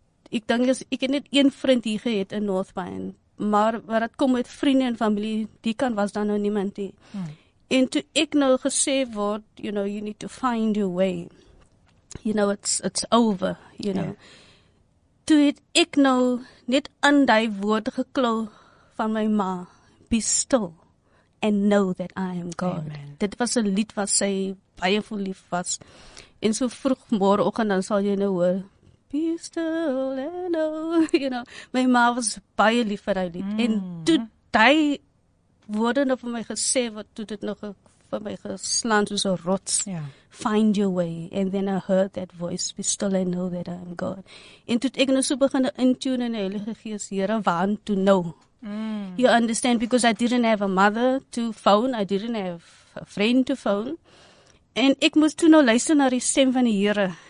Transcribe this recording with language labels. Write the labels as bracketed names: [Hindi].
[Afrikaans] Ek dink ek het net een vriend hier gehad in North Pine. Maar wat het kom met vriende en familie, die kant was dan nou niemand hier. En toe ek nou gesê word, [English] you know, you need to find your way. You know, it's over, you know. Yeah. [Afrikaans] Toe het ek nou net aan die woord geklou van my ma. [English] Be still and know that I am God. Amen. [Afrikaans] Dit was 'n lied wat sy baie vir lief was. En so vroeg môreoggend dan sal jy nou hoor. [English] Be still and know, you know. [Afrikaans] My ma was baie lief vir die lied. En toe die woorde nou vir my gesê, wat toe dit nog vir my geslaan soos 'n rots. [English] Yeah. Find your way. And then I heard that voice. Be still and know that I am God. [Afrikaans] En toe ek nou so begin intune in die Heilige Gees, Here, [English] want to know. You understand? Because I didn't have a mother to phone. I didn't have a friend to phone. [Afrikaans] En ek moes toe nou luister na die stem van die Here.